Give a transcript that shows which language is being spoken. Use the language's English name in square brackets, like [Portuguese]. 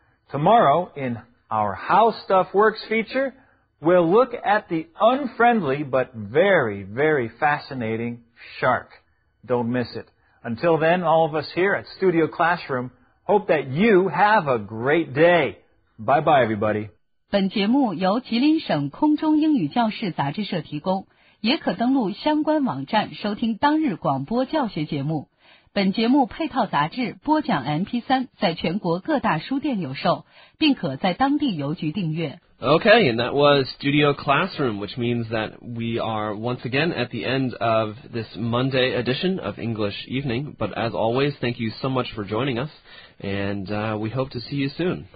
[English] Tomorrow, in our How Stuff Works feature, we'll look at the unfriendly but very, very fascinating shark. Don't miss it. Until then, all of us here at Studio Classroom hope that you have a great day. Bye-bye, everybody. [Chinese] 本节目由吉林省空中英语教室杂志社提供，也可登录相关网站收听当日广播教学节目。本节目配套杂志播讲 MP3 在全国各大书店有售，并可在当地邮局订阅。 [English] Okay, and that was Studio Classroom, which means that we are once again at the end of this Monday edition of English Evening. But as always, thank you so much for joining us, and we hope to see you soon.